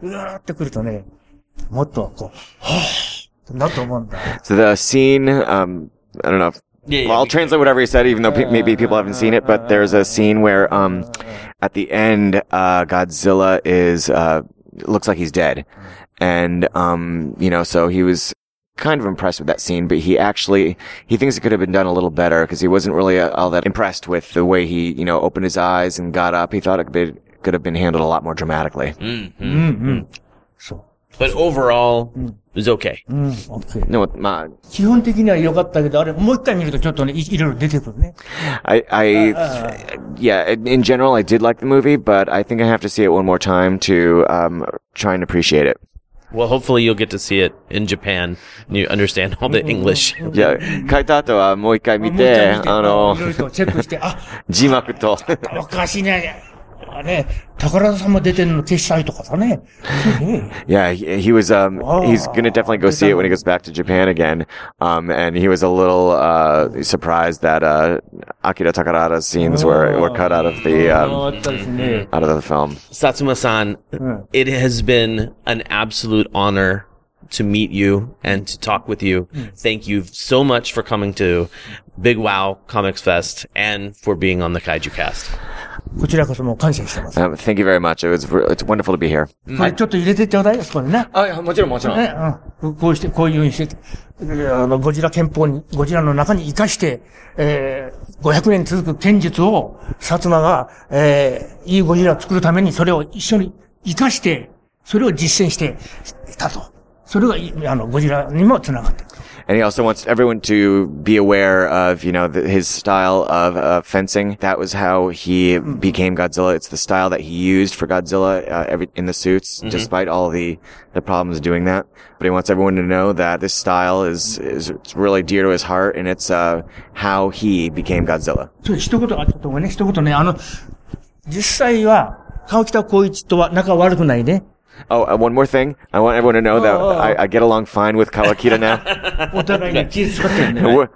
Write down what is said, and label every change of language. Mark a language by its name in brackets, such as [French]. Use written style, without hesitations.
[Japanese] うわーってくるとね、もっとこう、はーってなると思うんだ。 [English] So the scene, I don't know. Well, I'll translate whatever he said, even though maybe people haven't seen it, but there's a scene where, at the end, Godzilla is, looks like he's dead. And, you know, so he was kind of impressed with that scene, but he thinks it could have been done a little better because he wasn't really all that impressed with the way he, you know, opened his eyes and got up. He thought it could have been handled a lot more dramatically. Mm-hmm. Mm-hmm. So. But overall, it was okay. Okay. [Japanese] No, まあ。基本的には良かったけど、あれ、もう一回見るとちょっとね、いろいろ出てくるね。 [English] In general, I did like the movie, but I think I have to see it one more time to, try and appreciate it. Well, hopefully you'll get to see it in Japan and you understand all the English. Yeah. [Japanese] 書いた後はもう一回見て、チェックして、あ、字幕と。おかしいね。ね、宝田さんも出てるの消したいとかさね。 [English] Yeah, he was, he's gonna definitely go see it when he goes back to Japan again. And he was a little, surprised that, Akira Takarada's scenes were cut out of the film. Satsuma-san, it has been an absolute honor to meet you and to talk with you. Thank you so much for coming to Big Wow Comics Fest and for being on the Kaiju Cast. [Japanese] こちらこそもう感謝してます。 [English] Thank you very much. It's wonderful to be here. [Japanese] これちょっと入れてちょうだいよ、そこにね。はい、もちろん、もちろん。ね、うん。こうして、こういうふうにして、ゴジラ憲法に、ゴジラの中に生かして、500年続く剣術を、薩摩が、いいゴジラを作るために、それを一緒に生かして、それを実践していたと。それが、ゴジラにも繋がってる。 [English] And he also wants everyone to be aware of, you know, his style of fencing. That was how he became Godzilla. It's the style that he used for Godzilla in the suits, despite all the problems doing that. But he wants everyone to know that this style is it's really dear to his heart, and it's how he became Godzilla. [Japanese] So, 一言、ちょっとごめんね、一言ね、実際は川北浩一とは仲悪くないね。 [English] Oh, one more thing. I want everyone to know that I get along fine with Kawakita now.